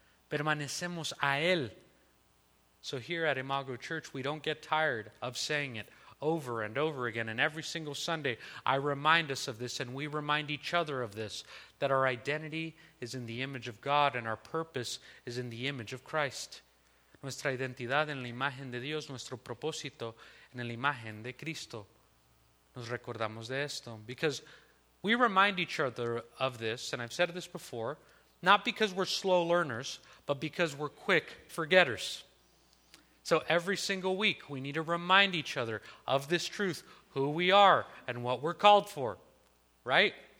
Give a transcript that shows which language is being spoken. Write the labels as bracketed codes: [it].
[es] Permanecemos a Él. [en] So here at Imago Church, we don't get tired of saying it over and over again. And every single Sunday, I remind us of this and we remind each other of this, that our identity is in the image of God and our purpose is in the image of Christ. [es] Nuestra identidad en la imagen de Dios, nuestro propósito en la imagen de Cristo. Nos recordamos de esto. [en] Because we remind each other of this, and I've said this before, not because we're slow learners, but because we're quick forgetters. So every single week, we need to remind each other of this truth, who we are and what we're called for, right?